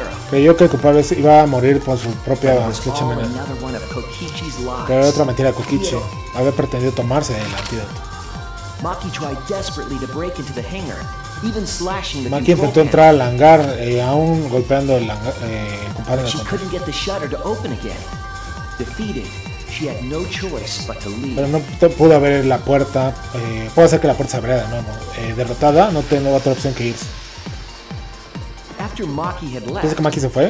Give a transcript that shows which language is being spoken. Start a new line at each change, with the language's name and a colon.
Spanish: Creyó que el culpable iba a morir por su propia flecha envenenada. Pero era otra mentira de Kokichi. Había pretendido tomarse el antídoto.
English: Maki tried desperately to break into the hangar, even slashing the
Spanish: Maki intentó entrar al hangar aún golpeando el hangar, compadre.
English: She couldn't get the shutter to open again. Defeated, she had no choice but to leave.
Spanish: Pero no pudo abrir la puerta, puede hacer que la puerta se abriera, ¿no? Derrotada, no tengo otra opción que irse.
English: After Maki had left,
Spanish: después de que Maki se fue,